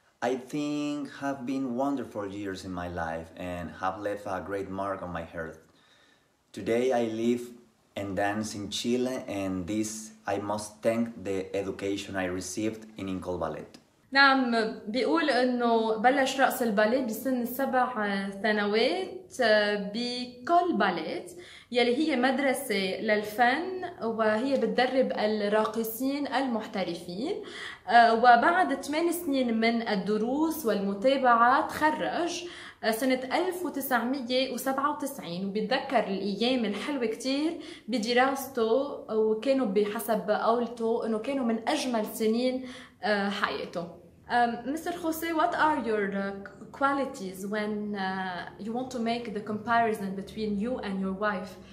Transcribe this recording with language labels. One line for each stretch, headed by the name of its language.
English: I think have been wonderful years in my life and have left a great mark on my heart. Today, I live and dance in Chile, and this I must thank the education I received in Incol Ballet.
Arabic: نعم، بيقول انه بلش رقص الباليه بسن 7 سنوات بكل باليت يلي هي مدرسة للفن وهي بتدرب الراقصين المحترفين، وبعد 8 سنين من الدروس والمتابعة تخرج سنة 1997، وبيتذكر الأيام الحلوة كتير بدراسته، وكانوا بحسب قولته انه كانوا من أجمل سنين حياته.
English: Mr. Jose, what are your qualities when you want to make the comparison between you and your wife?